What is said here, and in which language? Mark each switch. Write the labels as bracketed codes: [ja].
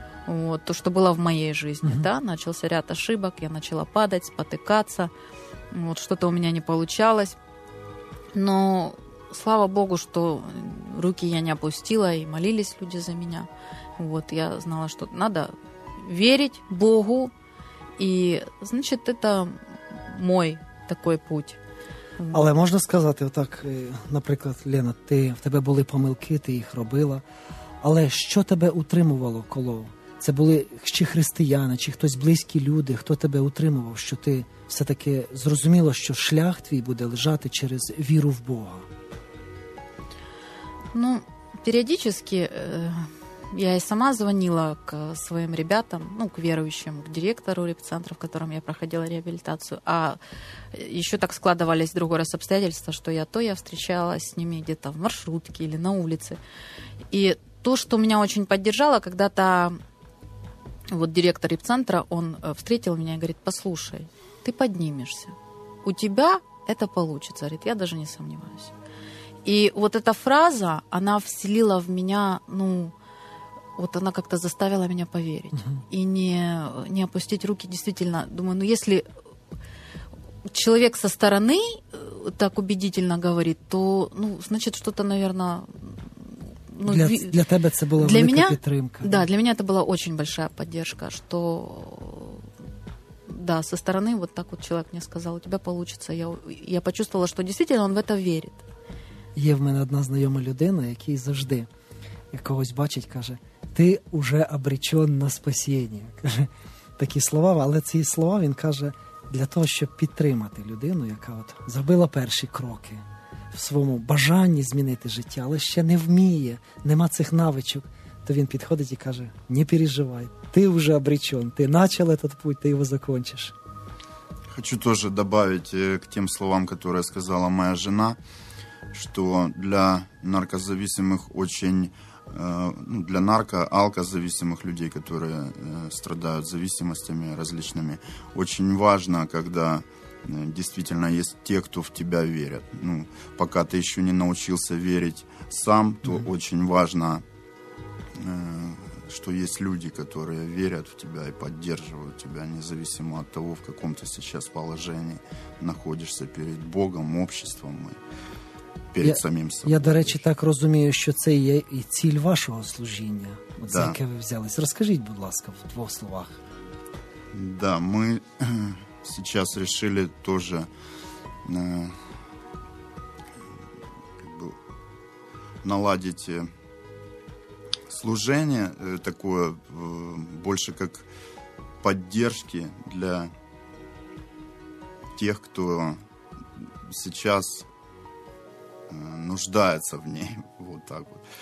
[ru] Вот, то, что было в моей жизни, да, начался ряд ошибок, я начала падать, спотыкаться, вот, что-то у меня не получалось. Но слава Богу, что руки я не опустила, и молились люди за меня. Вот, я знала, что надо верить Богу, и, значит, это мой такой путь. [uk] Але можна сказати отак, наприклад, Лена, ти, в тебе були помилки, ти їх робила, але що тебе утримувало коло? Це були чи християни, чи хтось близькі люди, хто тебе утримував, що ти все-таки зрозуміла, що шлях твій буде лежати через віру в Бога? Ну, періодично... [ru] Я и сама звонила к своим ребятам, ну, к верующим, к директору реабилитационного центра, в котором я проходила реабилитацию. А еще так складывались другой раз обстоятельства, что я встречалась с ними где-то в маршрутке или на улице. И то, что меня очень поддержало, когда-то вот директор реабилитационного центра, он встретил меня и говорит: «Послушай, ты поднимешься. У тебя это получится». Говорит, я даже не сомневаюсь. И вот эта фраза, она вселила в меня, ну... Вот она как-то заставила меня поверить и не опустить руки. Действительно, думаю, ну если человек со стороны так убедительно говорит, то, ну, значит, что-то, наверное... Ну, для тебя это была великая поддержка. Да, для меня это была очень большая поддержка, что, да, со стороны вот так вот человек мне сказал, у тебя получится. Я почувствовала, что действительно он в это верит. [uk] Є в мене одна знайома людина, який завжди якогось бачить, каже... [ru] «Ти уже обречен на [uk] спасіння». Такі слова, але ці слова він каже для того, щоб підтримати людину, яка от зробила перші кроки в своєму бажанні змінити життя, але ще не вміє, нема цих навичок. То він підходить і каже: «Не переживай, ти вже обречен, [ru] ти начал этот путь, [uk] ти його закончиш». Хочу теж додати к тим словам, які сказала моя жена, що для наркозависимих [ru] очень... для алкозависимых людей, которые страдают зависимостями различными, очень важно, когда действительно есть те, кто в тебя верят. Ну, пока ты еще не научился верить сам, то очень важно, что есть люди, которые верят в тебя и поддерживают тебя, независимо от того, в каком ты сейчас положении находишься перед Богом, обществом. перед самим собой. [uk] Я, до речі, так розумію, що це є і ціль вашого служіння, от за яке ви взялись. Розкажіть, будь ласка, в двох словах. [ru] Да, [uk] ми [ru] сейчас решили тоже наладить служение такое больше как поддержки для тех, кто сейчас нуждается в ней. Вот так вот.